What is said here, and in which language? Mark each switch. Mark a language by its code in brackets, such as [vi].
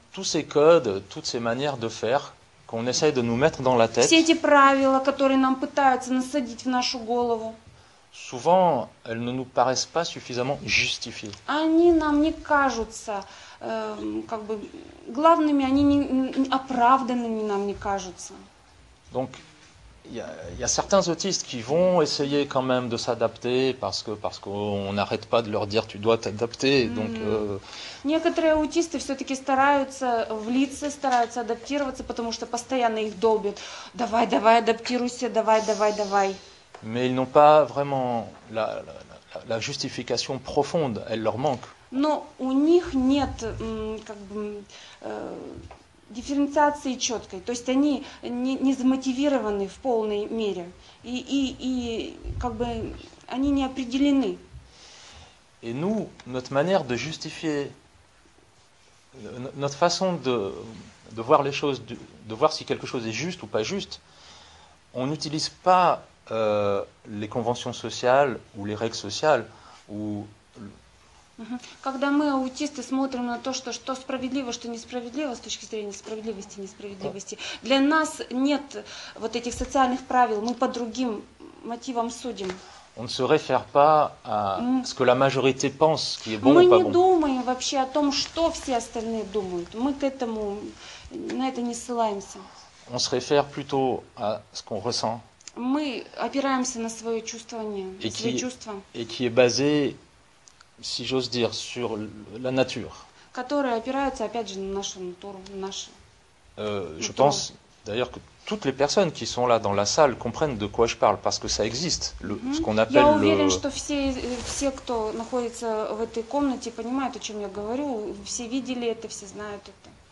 [fr] Tous ces codes, toutes ces manières de faire qu'on essaye de nous mettre dans la tête. [ru] Все эти правила, которые нам пытаются насадить в нашу голову. [fr] Souvent, elles ne nous paraissent pas suffisamment justifiées. [ru] Они нам не кажутся, как бы главными, они не оправданными нам не кажутся. [fr] Donc Il y a certains autistes qui vont essayer quand même de s'adapter parce qu'on n'arrête pas de leur dire tu dois t'adapter. Donc, [ru] Некоторые аутисты все-таки стараются влиться, стараются адаптироваться, потому что постоянно их долбят. Давай, давай, адаптируйся, давай, давай, давай. [fr] Mais ils n'ont pas vraiment la justification profonde, elle leur manque. [ru] Но у них нет, как бы... дифференциации четкой, то есть они не замотивированы в полной мере и как бы они не определены. [fr] Et nous, notre manière de justifier, notre façon de voir les choses, de voir si quelque chose est juste ou pas juste, on n'utilise pas les conventions sociales ou les règles sociales ou... [ru] Когда мы, аутисты, смотрим на то, что, что справедливо, что несправедливо, с точки зрения справедливости, несправедливости, для нас нет вот этих социальных правил, мы по другим мотивам судим. [fr] On ne se réfère pas à ce que la majorité pense, qui est bon [ru] мы [fr] ou pas [ru] не [fr] bon. [ru] Думаем вообще о том, что все остальные думают. Мы к этому, на это не ссылаемся. [fr] On se réfère plutôt à ce qu'on ressent. [ru] Мы опираемся на свое чувствование, [fr] et [ru] свои чувства. [fr] Et qui est basé, si j'ose dire, sur la nature. [ru] Которые опираются, опять же, на нашу натуру, на нашу. [fr] Je pense, d'ailleurs, que toutes les personnes qui sont là dans la salle comprennent de quoi je parle, parce que ça existe, ce qu'on appelle [ru] le... Я уверен, [fr] le... [ru] что все, все, кто находится в этой комнате, понимают, о чем я говорю. Все видели это, все знают это.